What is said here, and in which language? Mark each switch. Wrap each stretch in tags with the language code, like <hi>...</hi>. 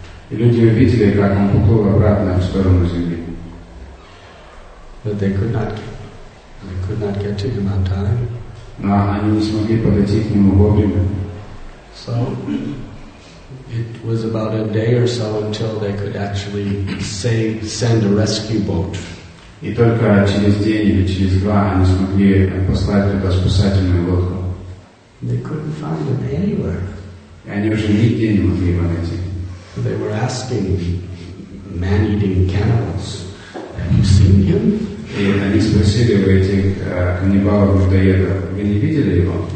<ru>И люди увидели, как он поплыл обратно в сторону земли. Но они не смогли подойти к нему вовремя.</ru> <en>So it was about a day or so until they could actually send a rescue boat.</en> <ru>И только через день или через два они смогли послать туда спасательную лодку.</ru> <en>They couldn't find him anywhere.</en> <ru>И они уже нигде не могли его найти.</ru> <en>They were asking man-eating cannibals, "Have you seen him?"</en> <ru>И они спросили у этих каннибалов-людоедов, "Вы не видели его?"</ru>